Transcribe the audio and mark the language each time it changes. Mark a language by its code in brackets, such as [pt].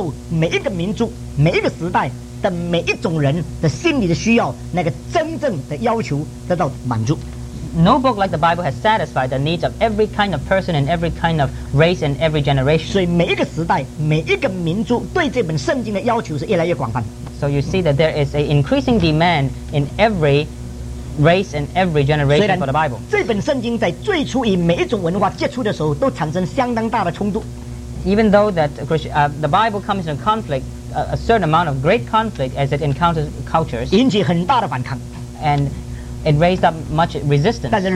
[zh] 没有一本书比圣经能更广泛的受每一个民族、每一个时代。的每一种人的心理的需要，那个真正的要求得到满足。 [en] No book like the Bible has satisfied the needs of every kind of person and every kind of race and every generation. [zh] 所以每一个时代，每一个民族对这本圣经的要求是越来越广泛。 [en] So you see that there is an increasing demand in every race and every generation for the Bible. [zh] 这本圣经在最初与每一种文化接触的时候，都产生相当大的冲突。 [en] Even though that the Bible comes in conflict. A certain amount of great conflict as it encounters cultures [zh] 引起很大的反抗 [en] and it raised up much resistance